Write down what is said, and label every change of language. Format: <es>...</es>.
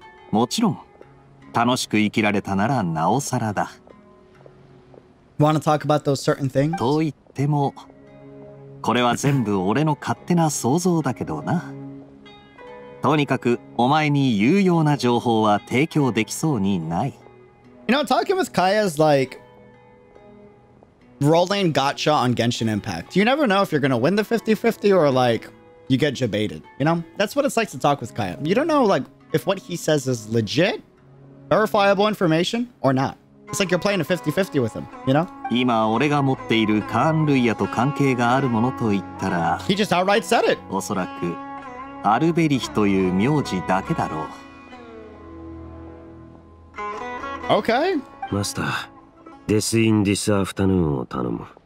<ja>もちろん、楽しく生きられたならなおさらだ。</ja> <en>want to talk about those certain things?</en> <ja>と言っても、これは全部俺の勝手な想像だけどな。とにかく、お前に有用な情報は提供できそうにない。</ja> <en>You know, talking with Kaya is like rolling gotcha on Genshin Impact. You never know if you're going to win the 50-50 or like you get jebaited, you know? That's what it's like to talk with Kaya. You don't know like if what he says is legit, verifiable information or not. It's like you're playing a 50-50 with him, you know?</en> <ja>今俺が持っているカーン・ルイヤと関係があるものと言ったら</ja> <en>He just outright said it!</en> <ja>おそらくアルベリヒという名字だけだろう。</ja> <en>Okay.</en> <ja>Master, Death in this afternoon を頼む。</ja>